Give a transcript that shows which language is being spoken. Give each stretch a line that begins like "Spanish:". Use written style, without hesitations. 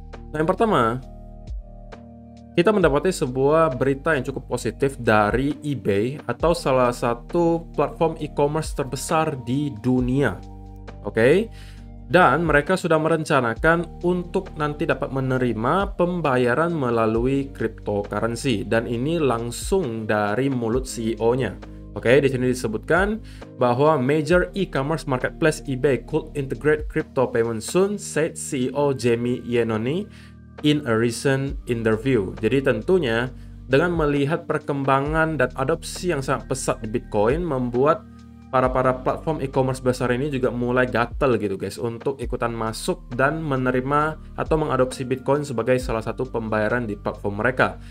Indonesian: Nah, yang pertama, kita mendapati sebuah berita yang cukup positif dari eBay atau salah satu platform e-commerce terbesar di dunia. Oke. Okay? Dan mereka sudah merencanakan untuk nanti dapat menerima pembayaran melalui cryptocurrency. Dan ini langsung dari mulut CEO-nya. Oke, di sini disebutkan bahwa
English: major e-commerce marketplace eBay could integrate crypto payment soon, said CEO Jamie Iannone in a recent interview.
Indonesian: Jadi tentunya dengan melihat perkembangan dan adopsi yang sangat pesat di Bitcoin, membuat para-para platform e-commerce besar ini juga mulai gatel gitu guys untuk ikutan masuk dan menerima atau mengadopsi Bitcoin sebagai salah satu pembayaran di platform mereka.